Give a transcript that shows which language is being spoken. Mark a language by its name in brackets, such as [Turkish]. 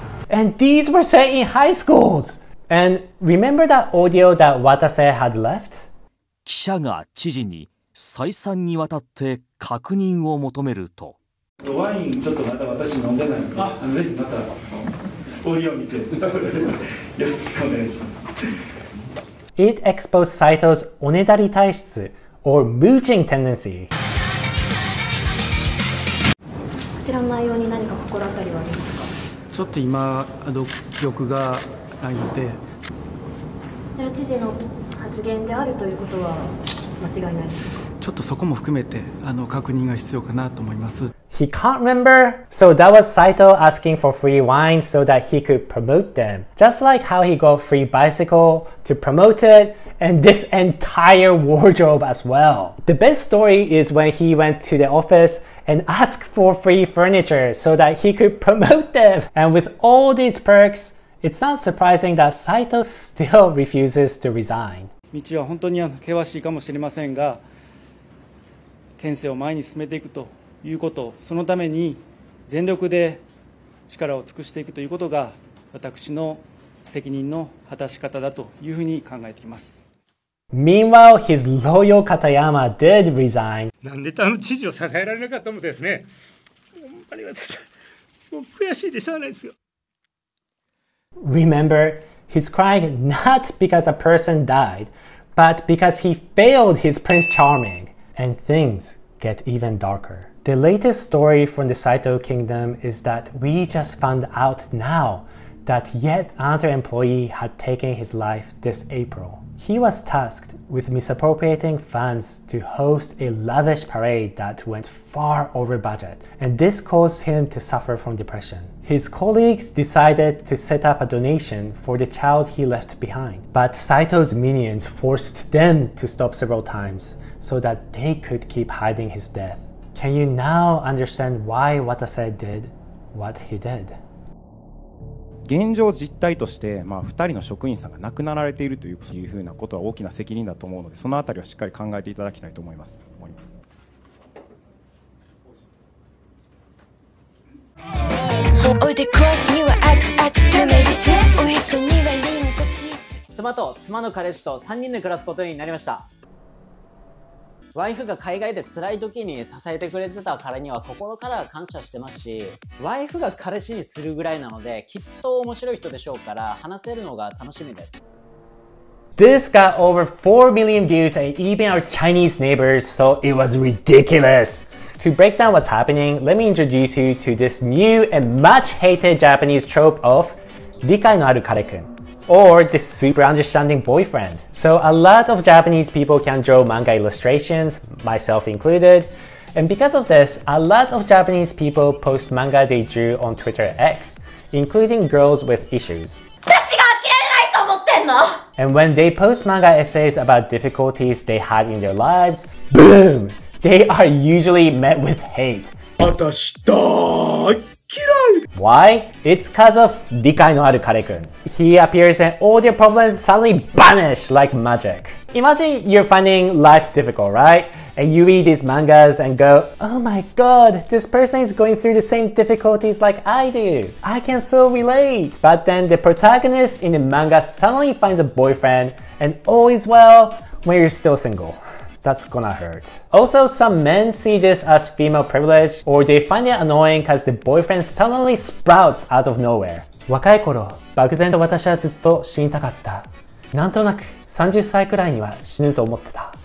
[English] And these were set in high schools! And remember that audio that Watase had left? [Japanese] 記者が知事に再三にわたって確認を求めると、ワインちょっとまた私飲んでないので、あ、ぜひまたオーディオ見てよろしくお願いします。 [English] It exposed Saito's [Japanese] おねだり体質 [English] or mooching tendency。 [Japanese] こちらの内容に何か心当たりはありますか？ちょっと今記憶がないので、それ知事の。発言であるということは間違いないです。ちょっとそこも含めて確認が必要かなと思います。 [English] He can't remember. So that was Saito asking for free wine so that he could promote them. Just like how he got free bicycle to promote it and this entire wardrobe as well. The best story is when he went to the office and asked for free furniture so that he could promote them. And with all these perks,It's not surprising that Saito still refuses to resign. [Japanese] 道は本当に険しいかもしれませんが、県政を前に進めていくということ、そのために全力で力を尽くしていくということが私の責任の果たし方だというふうに考えています。 [English] Meanwhile, his loyal Katayama did resign. [Japanese] なんで知事を支えられなかったのですね。本当に私もう悔しいでしょうがないですよ。 [English] Remember, he's crying not because a person died, but because he failed his Prince Charming. And things get even darker. The latest story from the Saito Kingdom is that we just found out now that yet another employee had taken his life this April. He was tasked with misappropriating funds to host a lavish parade that went far over budget, and this caused him to suffer from depression. His colleagues decided to set up a donation for the child he left behind, but Saito's minions forced them to stop several times so that they could keep hiding his death. Can you now understand why Watase did what he did? [Japanese] 現状実態として、まあ、2人の職員さんが亡くなられているというふうなことは大きな責任だと思うので、そのあたりはしっかり考えていただきたいと思います。おいでこにはアツアツためにせおへそにはリンゴチーズ妻と妻の彼氏と3人で暮らすことになりました。ワイフが海外で辛い時に支えてくれてた彼には心から感謝してますし、ワイフが彼氏にするぐらいなのできっと面白い人でしょうから話せるのが楽しみです。 [English] This got over 4 million views and even our Chinese neighbors thought it was ridiculousTo break down what's happening, let me introduce you to this new and much hated Japanese trope of [Japanese] 理解のある彼君 [English] or the super understanding boyfriend. So a lot of Japanese people can draw manga illustrations, myself included. And because of this, a lot of Japanese people post manga they drew on Twitter X, including girls with issues. [Japanese] 私が呆れないと思ってんの? [English] And when they post manga essays about difficulties they had in their lives, BOOM! They are usually met with hate. [Japanese] 私大嫌い! [English] Why? It's cause of [Japanese] 理解のある彼君. [English] He appears and all their problems suddenly vanish like magic. Imagine you're finding life difficult, right? And you read these mangas and go, Oh my god, this person is going through the same difficulties like I do. I can so relate. But then the protagonist in the manga suddenly finds a boyfriend and all is well when you're still single. That's gonna hurt. Also, some men see this as female privilege, or they find it annoying because the boyfriend suddenly sprouts out of nowhere. [Japanese] 若い頃、漠然と私はずっと死にたかった。なんとなく30歳くらいには死ぬと思ってた。